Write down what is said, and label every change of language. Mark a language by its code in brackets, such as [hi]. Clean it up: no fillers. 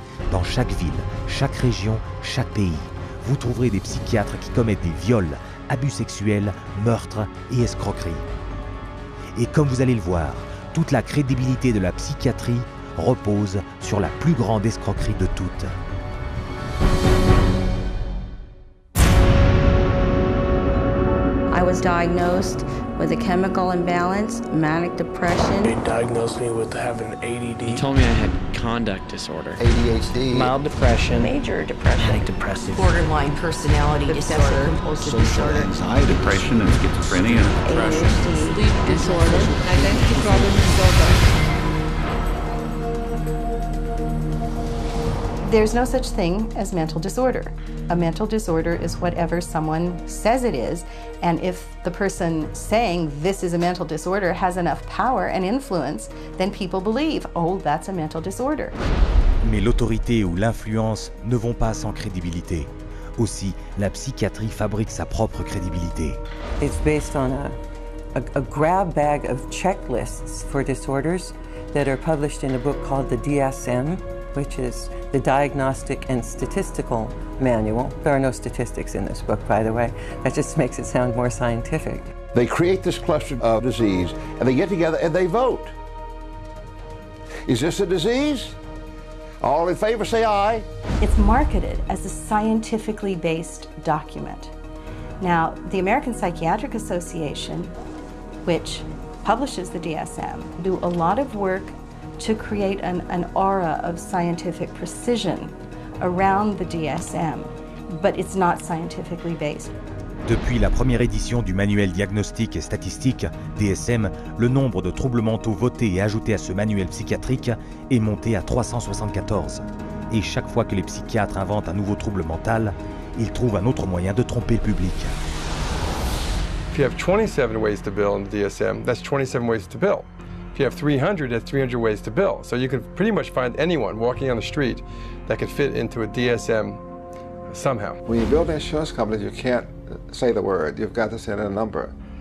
[fr] Dans chaque ville, chaque région, chaque pays, vous trouverez des psychiatres qui commettent des viols, abus sexuels, meurtres et escroqueries. Et comme vous allez le voir, toute la crédibilité de la psychiatrie repose sur la plus grande escroquerie de toutes. [en] I was diagnosed with a chemical imbalance, manic depression. They diagnosed me with having ADD. He told me I had conduct disorder. ADHD. Mild depression. Major depression. Manic depressive. Borderline personality disorder. Compulsive disorder. Anxiety. Depression and schizophrenia. Depression. ADHD. Sleep disorder. Identity problem disorder. There's no such thing as mental disorder. A mental disorder is whatever someone says it is, and if the person saying this is a mental disorder has enough power and influence, then people believe, oh, that's a mental disorder. [fr] Mais l'autorité ou l'influence ne vont pas sans crédibilité. Aussi, la psychiatrie fabrique sa propre crédibilité. [en] It's based on a grab bag of checklists for disorders that are published in a book called the DSM, which is the Diagnostic and Statistical Manual. There are no statistics in this book, by the way. That just makes it sound more scientific. They create this cluster of disease, and they get together and they vote. Is this a disease? All in favor say aye. It's marketed as a scientifically based document. Now, the American Psychiatric Association, which publishes the DSM, do a lot of work to create an aura of scientific precision around the DSM, but it's not scientifically based. [fr] Depuis la première édition du manuel diagnostique et statistique, DSM, le nombre de troubles mentaux votés et ajoutés à ce manuel psychiatrique est monté à 374. Et chaque fois que les psychiatres inventent un nouveau trouble mental, ils trouvent un autre moyen de tromper le public. [en] If you have 27 ways to bill in the DSM, that's 27 ways to bill. If you have 300, that's 300 ways to bill. So you can pretty much find anyone walking on the street that could fit into a DSM somehow. When you build insurance companies, you can't say the word. You've got to send in a number.